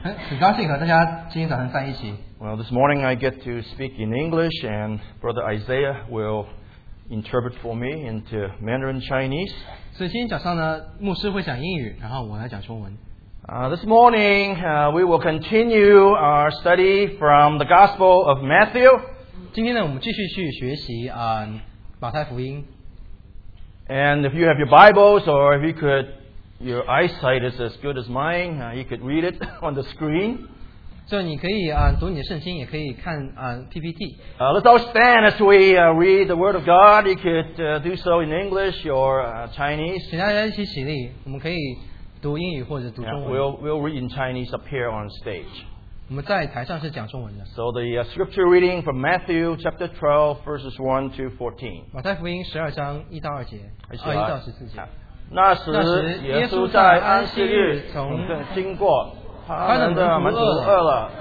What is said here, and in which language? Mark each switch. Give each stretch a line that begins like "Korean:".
Chinese: 很高兴和大家今天早上在一起。
English: Well, this morning I get to speak in English, and Brother Isaiah will interpret for me into Mandarin Chinese.
Chinese: 所以今天早上呢，牧师会讲英语，然后我来讲中文。
English: This morning, we will continue our study from the Gospel of Matthew.
Chinese: 今天呢，我们继续去学习啊，马太福音。
English: And if you have your Bibles, or if you could. Your eyesight is as good as mine. You could read it on the screen. So you can read your
Chinese: 圣经，也可以看PPT.
English: Let's all stand as we read the Word of God. You could do so in English or Chinese.
Chinese: 请大家一起起立，我们可以读英语或者读中文。
English: We'll read in Chinese up here on stage.
Chinese: 我们在台上是讲中文的。
English: So the scripture reading from Matthew chapter 12, verses 1 to 14.
Chinese: 马太福音十二章一到二节，二一到十四节。那时耶稣在安息日从经过，他们的门徒饿了，